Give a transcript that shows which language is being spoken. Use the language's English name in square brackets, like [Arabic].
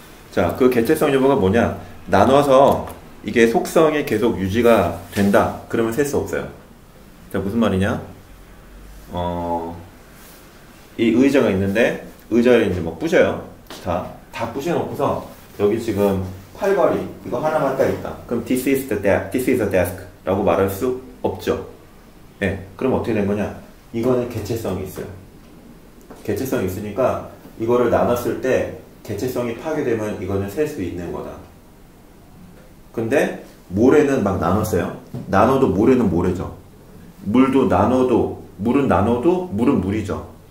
[Korean] 자, 그 개체성 여부가 뭐냐? 나눠서 이게 속성이 계속 유지가 된다. 그러면 셀 수 없어요. 자, 무슨 말이냐? 이 의자가 있는데 의자를 이제 막 부셔요. 다 부셔놓고서 여기 지금 팔걸이 이거 하나만 딱 있다. 그럼 [English] this is the desk, this is the desk [Korean] 라고 말할 수 없죠. 예, 네, 그럼 어떻게 된 거냐? 이거는 개체성이 있어요. 개체성이 있으니까 이거를 나눴을 때 개체성이 파괴되면 이거는 셀 수 있는 거다. 근데 모래는 막 나눴어요. 나눠도 모래는 모래죠. 물도 나눠도 물은 나눠도 물은 물이죠.